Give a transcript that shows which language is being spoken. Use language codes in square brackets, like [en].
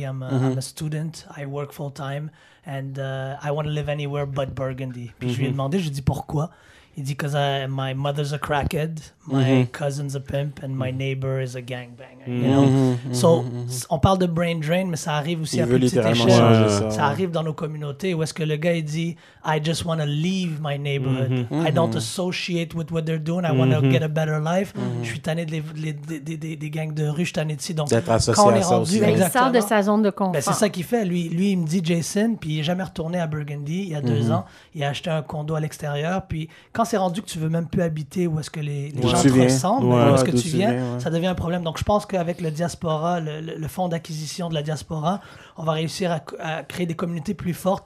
[en] I'm a student. I work full-time. And I want to live anywhere but Burgundy. » [fr] Puis je lui ai demandé, je lui ai dit « Pourquoi? » Il dit [en] « Because my mother's a crackhead, my cousin's a pimp, and my neighbor is a gangbanger. [fr] » On parle de brain drain, mais ça arrive aussi à petite échelle. Ça arrive dans nos communautés où est-ce que le gars il dit « [en] I just want to leave my neighborhood. I don't associate with what they're doing. I want to get a better life. [fr] Je suis tanné des gangs de rue, je suis tanné de ci. » D'être associé quand on est rendu, à ça aussi. Mais il sort de sa zone de confort. Ben, c'est ça qu'il fait. Lui, il me dit « Jason, puis il n'est jamais retourné à Burgundy il y a deux ans. Il a acheté un condo à l'extérieur, puis... » Quand c'est rendu que tu veux même plus habiter où est-ce que les gens d'où tu viens, ouais. Ça devient un problème. Donc, je pense qu'avec le diaspora, le fonds d'acquisition de la diaspora, on va réussir à créer des communautés plus fortes.